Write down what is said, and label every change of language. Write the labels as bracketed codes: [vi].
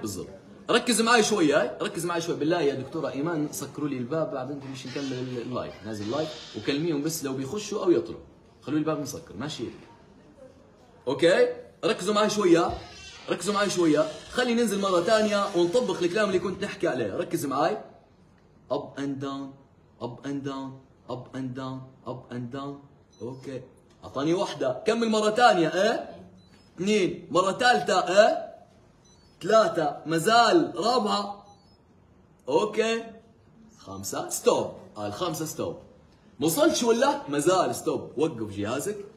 [ar] بالضبط. ركز معي شويه، ركز معي شويه بالله يا دكتوره ايمان، سكروا لي الباب بعدين مش نكمل اللايف، نازل لايف وكلميهم بس لو بيخشوا او يطلعوا خلوا الباب مسكر ماشي. اوكي ركزوا معي شويه، ركزوا معي شوية، خلي ننزل مرة تانية ونطبق الكلام اللي كنت نحكي عليه. ركز معي. [en] up and down up and down up and down up and down. [ar] اوكي اعطاني واحدة، كمل مرة تانية اثنين، مرة تالتة ثلاثة، مازال رابعة. اوكي خمسة ستوب، الخمسة ستوب، موصلتش ولا مازال ستوب؟ وقف جهازك.